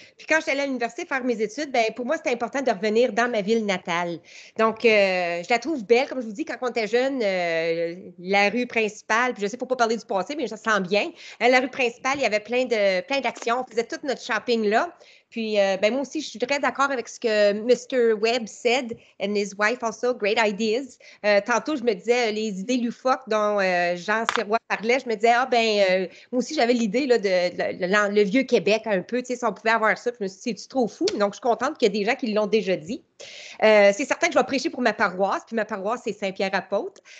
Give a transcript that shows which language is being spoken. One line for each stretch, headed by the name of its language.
French: Puis, quand j'allais à l'université faire mes études, ben pour moi, c'était important de revenir dans ma ville natale. Donc, je la trouve belle. Comme je vous dis, quand on était jeune, la rue principale, puis je sais, faut pas parler du passé, mais je sens bien. La rue principale, il y avait plein d'actions. On faisait tout notre shopping là. Puis, ben moi aussi, je suis très d'accord avec ce que Mr.
English: Webb said, and his wife also, great ideas.
French: Tantôt, je me disais, les idées loufoques dont Jean Sirois parlait, je me disais, moi aussi, j'avais l'idée là, de le vieux Québec un peu, tu sais, si on pouvait avoir ça. Je me suis dit, c'est-tu trop fou? Donc, je suis contente qu'il y ait des gens qui l'ont déjà dit. C'est certain que je vais prêcher pour ma paroisse, puis ma paroisse, c'est Saint-Pierre-Apôtre.